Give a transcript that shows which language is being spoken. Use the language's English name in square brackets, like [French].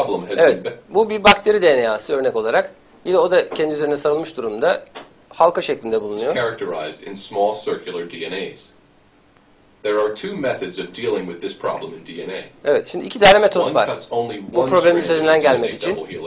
[Turkish] Evet, bu bir bakteri DNA'sı örnek olarak. Yine o da kendi üzerine sarılmış durumda. Halka şeklinde bulunuyor. [English] Characterized in small circular DNAs. There are two methods of dealing with this problem in DNA. [Turkish] Evet, şimdi iki tane metot var. Bu problemin üzerinden gelmek için.